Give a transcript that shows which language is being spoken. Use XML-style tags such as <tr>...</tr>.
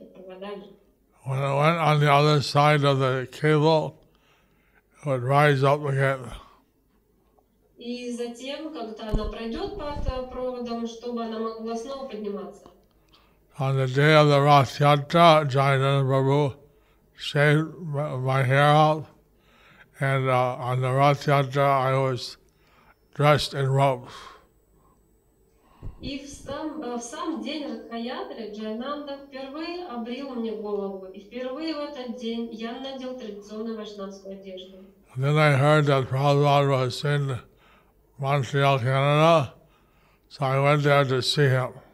<en>When it went on the other side of the cable, it would rise up again.</en> <ru>И затем, когда она пройдет под проводом, чтобы она могла снова подниматься.</ru> <en>On the day of the Rath Yatra, Jayananda Prabhu shaved my hair off, and on the Rath Yatra, I was dressed in robes.</en> <ru>И в сам день Ратха Ятры Джайнанда впервые обрил мне голову, и впервые в этот день я надел традиционную вайшнавскую одежду.</ru> <en>Then I heard that Prabhupada was in Montreal, Canada, so I went there to see him.</en>